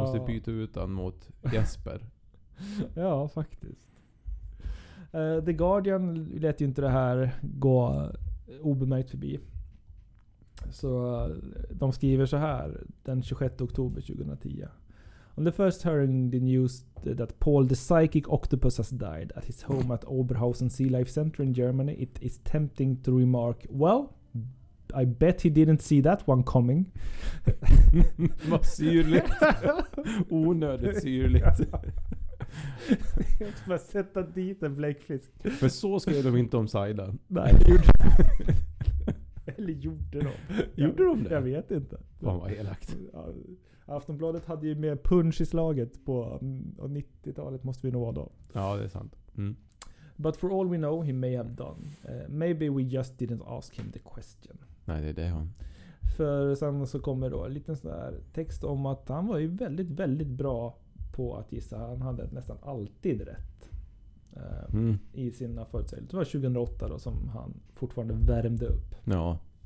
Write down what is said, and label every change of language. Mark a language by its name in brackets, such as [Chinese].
[Swedish] Måste byta ut han mot Jesper. Ja, faktiskt. The Guardian lät ju inte det här gå obemärkt förbi. Så de skriver så här den 26 oktober 2010. [English] On the first hearing the news that Paul the psychic octopus has died at his home at Oberhausen Sea Life Center in Germany, it is tempting to remark, well, I bet he didn't see that one coming. [Swedish] Vad syrligt. Onödigt syrligt. Jag ska bara sätta dit en bläckfisk. För så skrev de inte om Sida. Nej. Eller gjorde de? Gjorde de det? Jag vet inte. Fan vad elakt. Aftonbladet hade ju mer punch i slaget på 90-talet måste vi nog vara då. Ja, det är sant. Mm. [English] But for all we know, he may have done. Maybe we just didn't ask him the question. [Swedish] Nej, det är det han. För sen så kommer då en liten sån där text om att han var ju väldigt, väldigt bra på att gissa. Han hade nästan alltid rätt i sina förutsägelser. Det var 2008 då som han fortfarande värmde upp. Ja.